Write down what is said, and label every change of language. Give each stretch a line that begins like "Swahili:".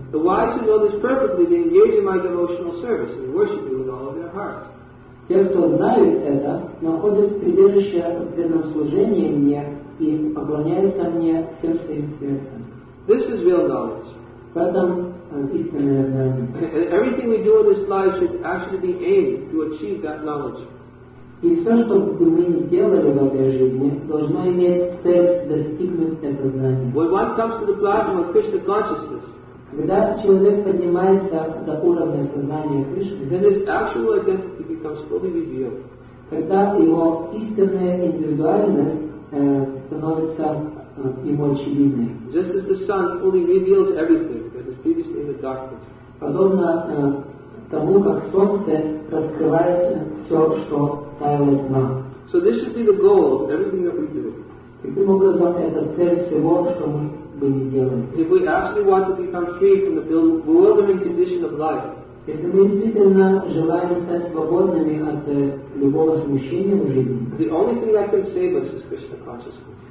English: The wise who know this perfectly, they engage in my devotional service and worship me with all of their hearts.
Russian: Те, кто знают это, находят прибежище в преданном служении мне и поклоняются мне всем своим сердцем.
English: This is real knowledge.
Russian: В этом истинное знание.
English: And everything we do in this life should actually be aimed to achieve that knowledge.
Russian: И все, что бы мы ни делали в этой жизни, должно иметь цель достигнуть этого знания.
English: When one comes to the platform of Krishna consciousness,
Russian: когда человек поднимается до уровня сознания Кришны,
English: then his actual identity becomes fully revealed.
Russian: Когда его истинная индивидуальность становится ему очевидной.
English: Just as the sun fully reveals everything that was previously in the darkness.
Russian: Подобно тому, как солнце раскрывает все, что таяло тьма.
English: So this should be the goal of everything that we do.
Russian: Таким образом, это цель всего, что мы бы не делали.
English: If we actually want to become free from the bewildering condition of life,
Russian: если мы действительно желаем стать свободными от любого смущения в жизни,
English: the only thing that can save us is Krishna consciousness.